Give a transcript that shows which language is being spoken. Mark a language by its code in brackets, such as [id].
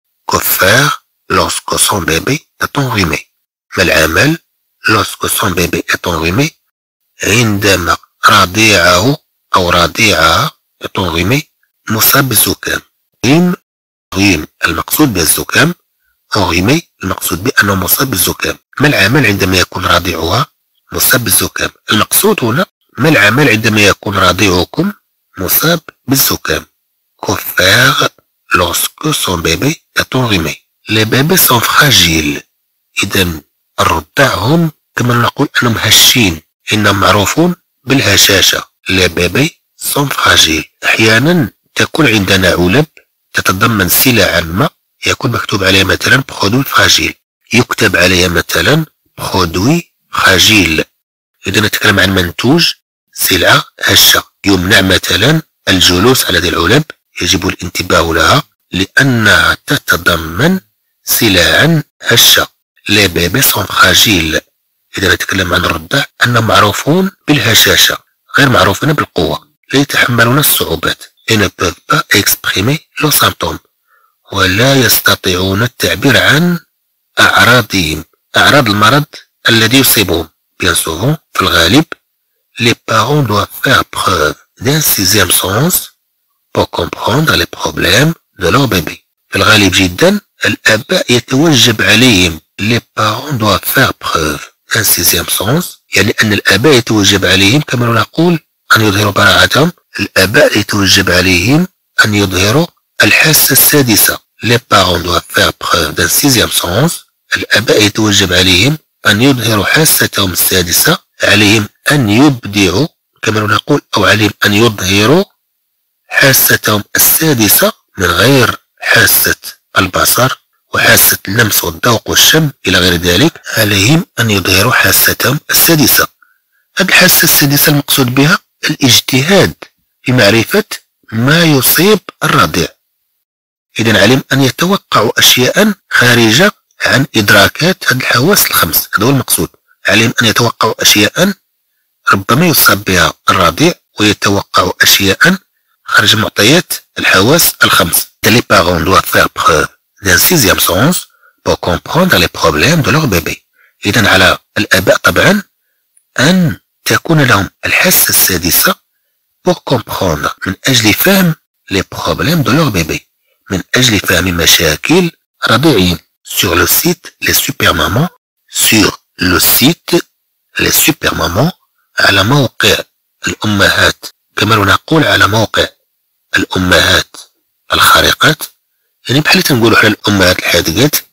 [fr] Que faire lorsque son bébé est enrhumé. [ar] ما العمل [fr] lorsque son bébé est enrhumé [ar] عندما رضيعه أو رضيعها [fr] est enrhumé [ar] مصاب بالزكام. غيم المقصود بالزكام. أنغيمي المقصود بأنه مصاب بالزكام. ما العمل عندما يكون رضيعها مصاب بالزكام. المقصود هنا ما العمل عندما يكون رضيعكم مصاب بالزكام. [fr] كوفير lorsque son bébé est enrhumé. Les bébés sont fragiles. [ar] إذا الرضاعهم كما نقول أنهم هشين إنهم معروفون بالهشاشة. [fr] Les bébés sont fragiles. [ar] أحيانا تكون عندنا علب تتضمن سلع ما يكون مكتوب عليها مثلا برودوي فاجيل يكتب عليها مثلا برودوي فاجيل. إذا نتكلم عن منتوج سلعة هشة يمنع مثلا الجلوس على هذه العلب يجب الانتباه لها لأنها تتضمن سلعا هشة. لي بيبي سون فاجيل إذا نتكلم عن الرضع أنهم معروفون بالهشاشة غير معروفين بالقوة لا يتحملون الصعوبات. [fr] et ne peuvent pas exprimer leurs symptômes. [ar] ولا يستطيعون التعبير عن أعراضهم أعراض المرض الذي يصيبهم. [fr] Bien souvent, [ar] في الغالب, [fr] les parents doivent faire preuve d'un sixième sens pour comprendre les problèmes de leur bébé. [ar] في الغالب جدا, الأباء يتوجب عليهم. [fr] Les parents doivent faire preuve d'un sixième sens. [ar] يعني أن الأباء يتوجب عليهم كما نقول أن يظهروا براعتهم. الأباء يتوجب عليهم أن يظهروا الحاسة السادسة. [fr] Les parents doivent faire preuve d'un sixième sens. [ar] الأباء يتوجب عليهم أن يظهروا حاستهم السادسة. عليهم أن يبدعوا كما نقول أو عليهم أن يظهروا حاستهم السادسة من غير حاسة البصر وحاسة اللمس والذوق والشم إلى غير ذلك. عليهم أن يظهروا حاستهم السادسة. هذه الحاسة السادسة المقصود بها الاجتهاد في معرفة ما يصيب الرضيع. إذن عليهم أن يتوقعوا أشياء خارجة عن إدراكات هذه الحواس الخمس. هذا هو المقصود. عليهم أن يتوقعوا أشياء ربما يصاب بها الرضيع ويتوقعوا أشياء خارج معطيات الحواس الخمس. [fr] Les parents doivent faire preuve d'un sixième sens pour comprendre les problèmes de leur bébé. [ar] إذن على الآباء طبعا أن تكون لهم الحاسة السادسة [fr] pour comprendre [ar] من أجل فهم [fr] les problèmes de leur bébé. [ar] من أجل فهم مشاكل رضيعهم. [fr] Sur le site Les Super Mamans, [ar] sur le site Les Super Mamans, على موقع الأمهات كما نقول على موقع الأمهات الخارقات يعني بحال تنقولوا على الأمهات الحادقات.